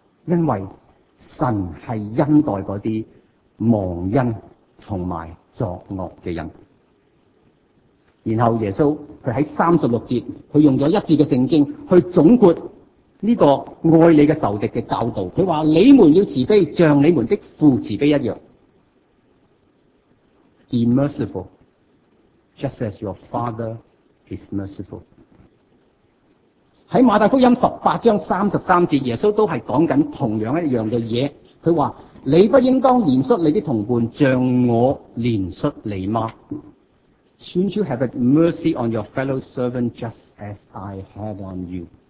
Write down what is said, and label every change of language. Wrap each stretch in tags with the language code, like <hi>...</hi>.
<yue>因为神是恩待那些忘恩同埋作恶的人。然后耶稣他在36节，他用了一节的圣经去总括这个爱你的仇敌的教导。他说，你们要慈悲，像你们的父慈悲一样。</yue> <en>Be merciful, just as your father is merciful.</en> <yue>在马太福音18章33节，耶稣都是讲紧同样一样的嘢。他说，你不应当怜恤你的同伴，像我怜恤你吗？</yue> <en>Shouldn't you have mercy on your fellow servant just as I had on you?</en>